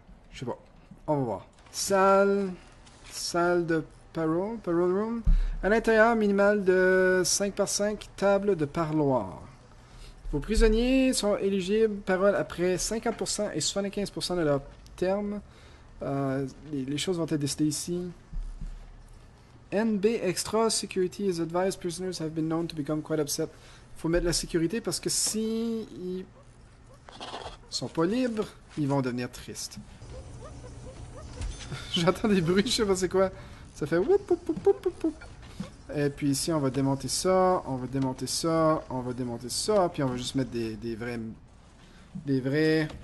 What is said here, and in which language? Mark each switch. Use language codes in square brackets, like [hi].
[fr] Je sais pas. On va voir. Salle de parole. [en] Parole room. [fr] À l'intérieur, minimal de 5 par 5, table de parloir. Vos prisonniers sont éligibles parole après 50% et 75% de leur terme. Les choses vont être décidées ici. [en] NB Extra Security is advised. Prisoners have been known to become quite upset. [fr] Faut mettre la sécurité parce que si ils sont pas libres, ils vont devenir tristes. J'entends des bruits, je sais pas c'est quoi. Ça fait whoop, whoop, whoop, whoop, whoop, whoop. Et puis ici, on va démonter ça, on va démonter ça, on va démonter ça, puis on va juste mettre des vrais.